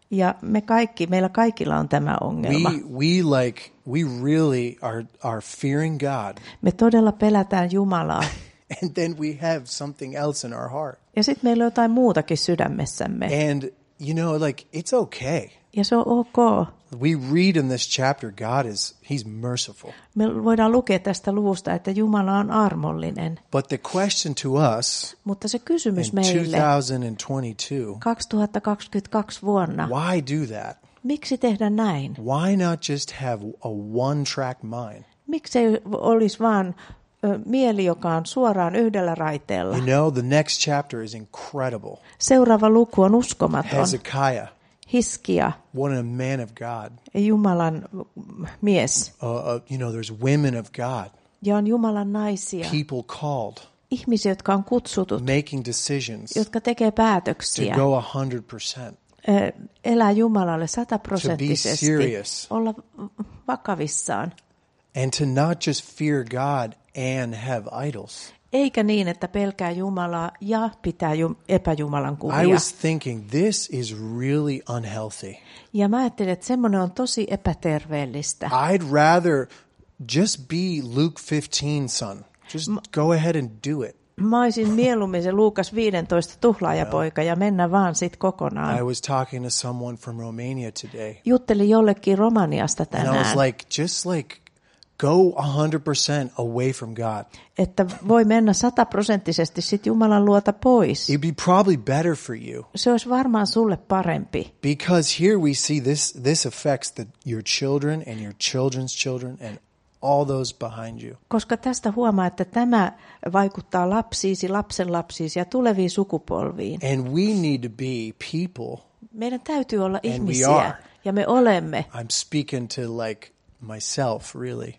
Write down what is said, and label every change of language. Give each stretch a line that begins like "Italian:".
Finnish: Ja meillä kaikilla on tämä ongelma.
English: We really are fearing God.
Finnish: Me todella pelätään Jumalaa.
English: And then we have something else in our heart.
Finnish: Ja sitten meillä on jotain muutakin sydämessämme.
English: And you know, like, it's okay.
Finnish: Ja se on ok.
English: We read in this chapter God is he's merciful.
Finnish: Me voidaan lukea tästä luvusta, että Jumala on armollinen.
English: But the question to us,
Finnish: mutta se kysymys
English: in
Finnish: meille
English: 2022,
Finnish: 2022 vuonna,
English: why do that?
Finnish: Miksi tehdä näin?
English: Why not just have a one track mind?
Finnish: Miksei olisi vaan mieli, joka on suoraan yhdellä raiteella.
English: You know, the next chapter is incredible.
Finnish: Seuraava luku on uskomaton.
English: Hezekiah.
Finnish: Hiskia.
English: What a man of God.
Finnish: Jumalan mies.
English: You know, there's women of God.
Finnish: Ja on Jumalan naisia.
English: People called.
Finnish: Ihmisiä, jotka on kutsutut.
English: Making decisions.
Finnish: Jotka tekee päätöksiä.
English: To go 100%.
Finnish: Elää Jumalalle 100%.
English: To be serious.
Finnish: Olla vakavissaan.
English: And to not just fear God and have idols.
Finnish: Eikä niin, että pelkää Jumalaa ja pitää epäjumalan kuvia.
English: I was thinking this is really unhealthy.
Finnish: Ja mä ajattelin, että semmoinen on tosi epäterveellistä.
English: I'd rather just be Luke 15 son. Just go ahead and do it.
Finnish: Mä olisin mieluummin se Luukas 15 tuhlaajapoika ja mennä vaan sit kokonaan.
English: I was talking to someone from Romania today.
Finnish: Juttelin jollekin Romaniasta tänään.
English: And I was like, just like go 100% away from God.
Finnish: Että voi mennä 100-prosenttisesti sit Jumalan luota pois.
English: It'd be probably better for you.
Finnish: Se olisi varmaan sulle parempi.
English: Because here we see this affects your children and your children's children and all those behind you.
Finnish: Koska tästä huomaa, että tämä vaikuttaa lapsiisi, lapsenlapsiisi ja tuleviin sukupolviin.
English: And we need to be people.
Finnish: Meidän täytyy olla ihmisiä ja me olemme.
English: I'm speaking to like myself really.